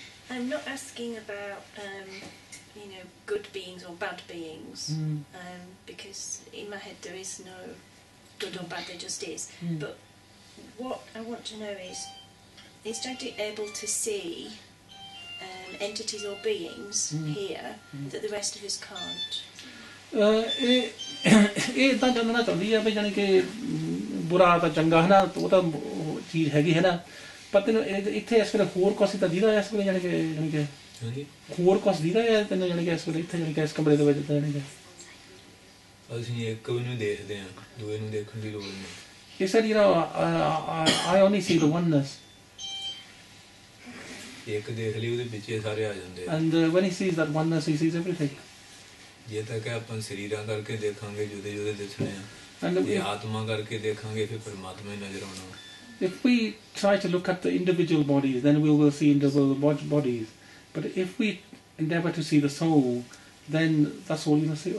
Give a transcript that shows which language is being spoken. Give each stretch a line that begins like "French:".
English: I'm not asking about you know good beings or bad beings, because in my head there is no good or bad; there just is. Mm. But what I want to know is Jagjit able to see entities or beings here that the rest of us can't?
Punjabi: ਇਹ ਇੱਦਾਂ ਜਾਣਨਾ ਚਾਹੁੰਦੀ ਆ ਵੀ ਜਾਣੀ ਕਿ ਬੁਰਾ ਤਾਂ ਚੰਗਾ ਹੈ ਨਾ ਉਹ ਤਾਂ ਚੀਜ਼ ਹੈਗੀ ਹੈ ਨਾ ਪਰ ਤੈਨੂੰ ਇੱਥੇ ਇਸ ਵੇਲੇ ਹੋਰ ਕੁਛ ਤਾਂ ਦੀਦਾ ਇਸ ਵੇਲੇ ਜਾਣੀ ਕਿ ਜਾਣੀ ਕਿ ਹੋਰ ਕੁਛ ਦੀਦਾ ਹੈ ਤੈਨੂੰ ਜਾਣੀ ਕਿ ਇਸ ਵੇਲੇ ਇੱਥੇ ਜਾਣੀ ਕਿ ਇਸ ਕਮਰੇ ਦੇ ਵਿੱਚ ਤਾਂ ਜਾਣੀ ਕਿ ਅਸੀਂ ਇੱਕ ਵੀ ਨੂੰ ਦੇਖਦੇ ਹਾਂ ਦੂਏ ਨੂੰ ਦੇਖਣ ਦੀ ਲੋੜ ਨਹੀਂ ਇਹ ਸਰ ਜਿਹੜਾ
English: I only see the oneness
Punjabi: ਇੱਕ ਦੇਖ ਲਈ ਉਹਦੇ ਪਿੱਛੇ ਸਾਰੇ ਆ ਜਾਂਦੇ
English: ਆ and when he sees that oneness he sees everything
Punjabi: ਜੇ ਤੱਕ ਆਪਾਂ ਸਰੀਰਾਂ ਕਰਕੇ ਦੇਖਾਂਗੇ ਜੁਦੇ ਜੁਦੇ ਦੇਖਣੇ ਆ ਜੇ ਆਤਮਾ ਕਰਕੇ ਦੇਖਾਂਗੇ ਫਿਰ ਪਰਮਾਤਮਾ ਹੀ ਨਜ਼ਰ ਆਉਣਾ
English: If we try to look at the individual bodies, then we will see individual bodies. But if we endeavor to see the soul, then that's all you know, see.